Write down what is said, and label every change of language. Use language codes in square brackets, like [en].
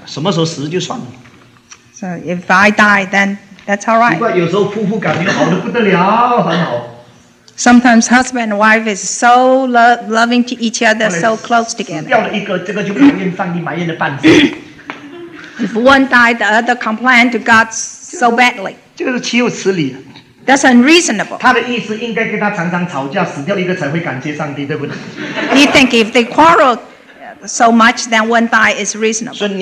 [zh] 什么时候死就算了。 [en] So if I die, then that's all right. [zh] 奇怪，有时候夫妇感情好的不得了，很好。 [en] Sometimes husband and wife is so loving to each other, so close together. [zh] 掉了一个，这个就埋怨上帝埋怨了半死。 [en] If one died, the other complained to God so badly. [zh] 这个是岂有此理。 [en] That's unreasonable. [zh] 他的意思应该跟他常常吵架，死掉一个才会感谢上帝，对不对？ [en] You think if they quarrel so much, then one die is reasonable.